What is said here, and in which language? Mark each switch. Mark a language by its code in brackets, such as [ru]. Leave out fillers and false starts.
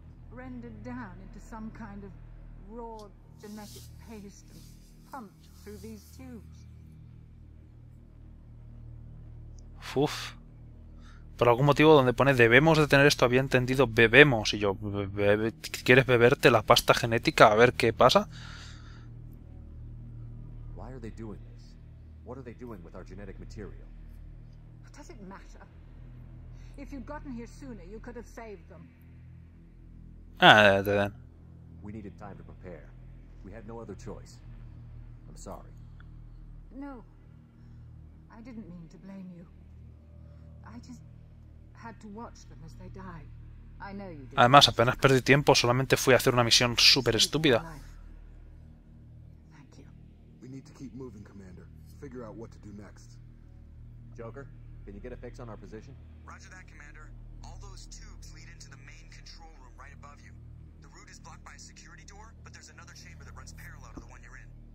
[en] Rendered down into some kind of raw genetic paste and pumped through these tubes. Uf. [es] Por algún motivo donde pone debemos de tener esto, había entendido bebemos. Y yo, ¿quieres beberte la pasta genética a ver qué pasa? [en] Why are they doing this? What are they doing with our genetic material? What does it matter? If you'd gotten here sooner, you could have saved them. We needed time to prepare. We had no other choice. I'm sorry. No. I didn't mean to blame you. I just had to watch them as they died. I know you did. [es] Además, apenas perdí tiempo, solamente fui a hacer una misión súper estúpida. [en] Thank you. We need to keep moving, Commander. Figure out what to do next. Joker, can you get a fix on our position? Roger that, Commander. All those tubes lead into the main control room right above you. The route is blocked by a security door, but there's another chamber that runs parallel to the one you're in.